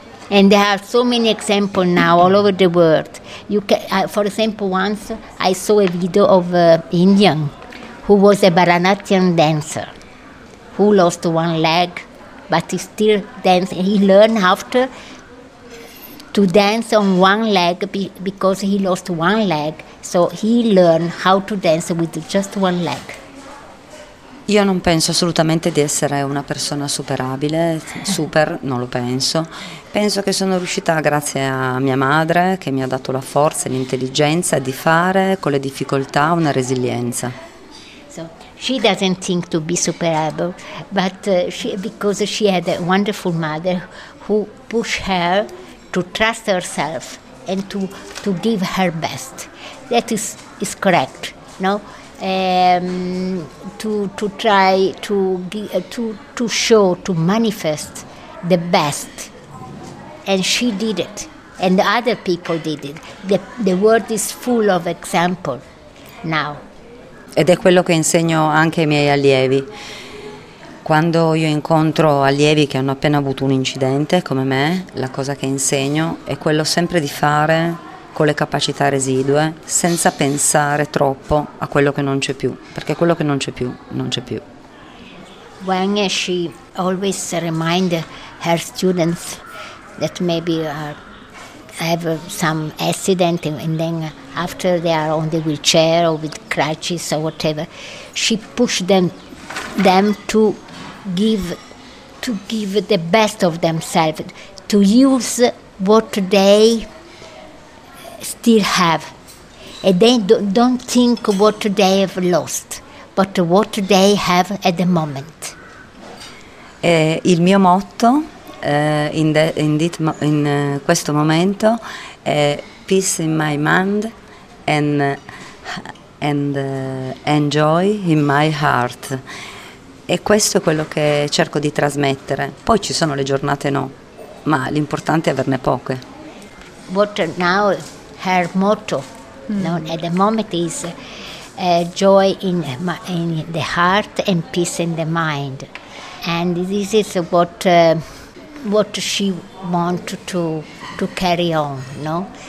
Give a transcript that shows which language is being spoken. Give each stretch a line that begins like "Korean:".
English: And there are so many examples now all over the world. You can, for example, once I saw a video of an Indian who was a Bharatanatyam dancer, who lost one leg, but he still danced. He learned after to dance on one leg because he lost one leg. So he learned how to dance with just one leg.
Italian: Io non penso assolutamente di essere una persona superabile, super, non lo penso. Penso che sono riuscita, grazie a mia madre, che mi ha dato la forza e l'intelligenza di fare con le difficoltà una resilienza.
English: So she doesn't think to be superable, but because she had a wonderful mother who pushed her to trust herself and to give her best. That is correct, no? To try to give, to show, to manifest the best, and she did it, and the other people did it. The world is full of example now.
Italian: Ed è quello che insegno anche ai miei allievi. Quando io incontro allievi che hanno appena avuto un incidente come me, la cosa che insegno è quello sempre di fare con le capacità residue, senza pensare troppo a quello che non c'è più, perché quello che non c'è più, non c'è più.
English: Wang, she always remind her students that maybe have some accident and then after they are on the wheelchair or with crutches or whatever, she push them to give the best of themselves, to use what they still have, and they don't think what they have lost, but what they have at the moment.
Italian: Il mio motto in questo momento è
English: peace in my mind and enjoy in my heart.
Italian: E questo è quello che cerco di trasmettere. Poi ci sono le giornate no, ma l'importante è averne poche.
English: What now her motto at the moment is joy in the heart and peace in the mind. And this is what she wants to carry on, no?